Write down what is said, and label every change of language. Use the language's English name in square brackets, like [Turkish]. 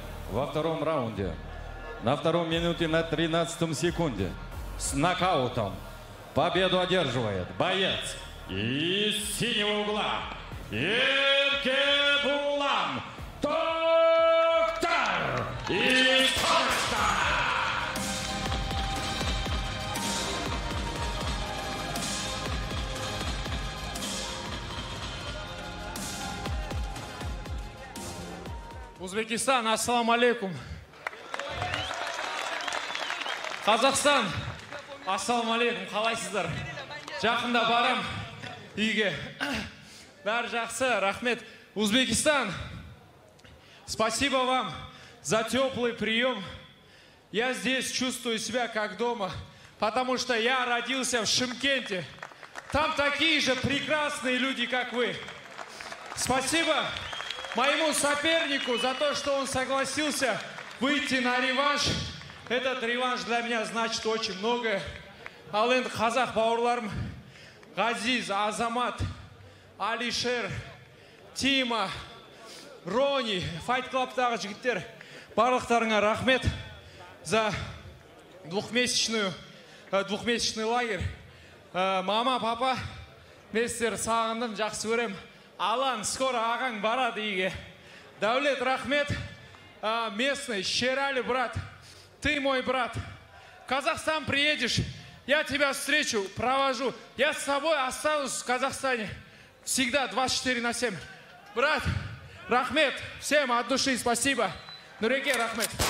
[Russian] Во втором раунде, на втором минуте, на 13 секунде, с нокаутом победу одерживает боец из синего угла Еркебулан Токтар из Казахстана. Узбекистан, ассаламу алейкум. [Kazakh] Казахстан, ассаламу алейкум, қалайсыздар? Жақында барам үйге. Бәрі жақсы, рахмет. [Russian] Узбекистан, спасибо вам за теплый прием. Я здесь чувствую себя как дома, потому что я родился в Шымкенте. Там такие же прекрасные люди, как вы. Спасибо моему сопернику за то, что он согласился выйти на реванш. Этот реванш для меня значит очень многое. [Kazakh] Ал енді қазақ бауырларым, Ғазиз, Азамат, Алишер, Тима, Рони, Fight Club-тағы жігіттер, барлықтарыңа рахмет [Russian] за двухмесячный лагерь. [Kazakh] Мама, папа, мен сіздер сағындым, жақсы көрем. Алан, скоро ағаң барады еге. Дәулет, рахмет, местный, Шерәлі, брат, [Russian] ты мой брат. Казахстан приедешь, я тебя встречу, провожу. Я с тобой останусь в Казахстане. Всегда 24/7. Брат, рахмет, всем от души спасибо. Нуреке, рахмет.